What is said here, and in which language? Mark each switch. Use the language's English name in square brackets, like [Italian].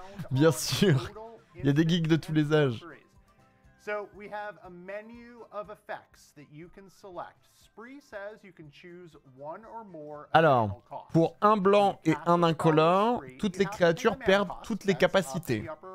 [French] Bien sûr. Il y a des geeks de tous les âges. [English] So, we have a menu of effects that you can select. Spree says you can choose one or more. [French] Alors, pour un blanc et un incolore, toutes les créatures perdent toutes les capacités.